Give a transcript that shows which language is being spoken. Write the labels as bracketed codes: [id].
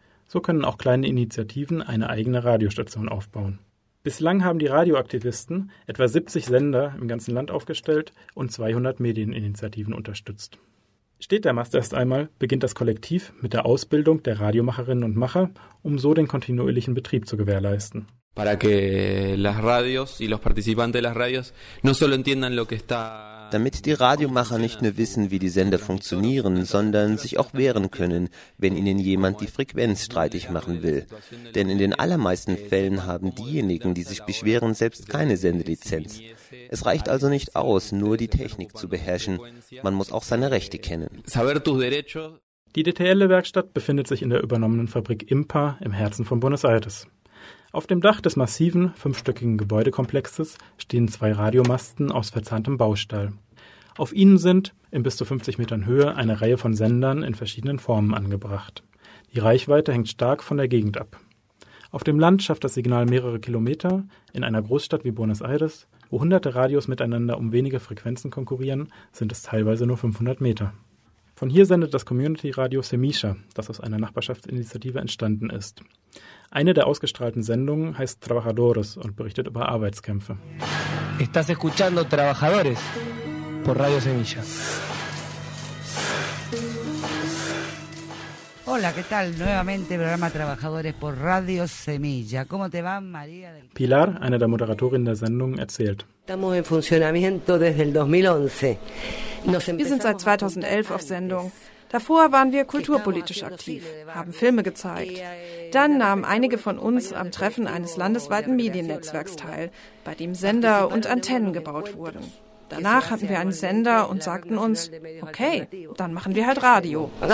[de] So können auch kleine Initiativen eine eigene Radiostation aufbauen. Bislang haben die Radioaktivisten etwa 70 Sender im ganzen Land aufgestellt und 200 Medieninitiativen unterstützt. Steht der Mast erst einmal, beginnt das Kollektiv mit der Ausbildung der Radiomacherinnen und Macher, um so den kontinuierlichen Betrieb zu gewährleisten. [es] Para que las radios y los participantes de las radios no solo entiendan lo que está... [de] Damit die Radiomacher nicht nur wissen, wie die Sender funktionieren, sondern sich auch wehren können, wenn ihnen jemand die Frequenz streitig machen will. Denn in den allermeisten Fällen haben diejenigen, die sich beschweren, selbst keine Sendelizenz. Es reicht also nicht aus, nur die Technik zu beherrschen. Man muss auch seine Rechte kennen. Die DTL-Werkstatt befindet sich in der übernommenen Fabrik IMPA im Herzen von Buenos Aires. Auf dem Dach des massiven, fünfstöckigen Gebäudekomplexes stehen 2 Radiomasten aus verzahntem Baustahl. Auf ihnen sind, in bis zu 50 Metern Höhe, eine Reihe von Sendern in verschiedenen Formen angebracht. Die Reichweite hängt stark von der Gegend ab. Auf dem Land schafft das Signal mehrere Kilometer, in einer Großstadt wie Buenos Aires, wo hunderte Radios miteinander um wenige Frequenzen konkurrieren, sind es teilweise nur 500 Meter. Von hier sendet das Community-Radio Semisha, das aus einer Nachbarschaftsinitiative entstanden ist. Eine der ausgestrahlten Sendungen heißt Trabajadores und berichtet über Arbeitskämpfe. [es] Estás escuchando Trabajadores por Radio Semilla. Hola, ¿qué tal? Nuevamente programa Trabajadores por Radio Semilla. ¿Cómo te va, María? [de] Pilar, eine der Moderatorinnen der Sendung, erzählt. [es] Estamos en funcionamiento desde el 2011. [de] Wir sind seit 2011 auf Sendung. Davor waren wir kulturpolitisch aktiv, haben Filme gezeigt. Dann nahmen einige von uns am Treffen eines landesweiten Mediennetzwerks teil, bei dem Sender und Antennen gebaut wurden. Danach hatten wir einen Sender und sagten uns, okay, dann machen wir halt Radio.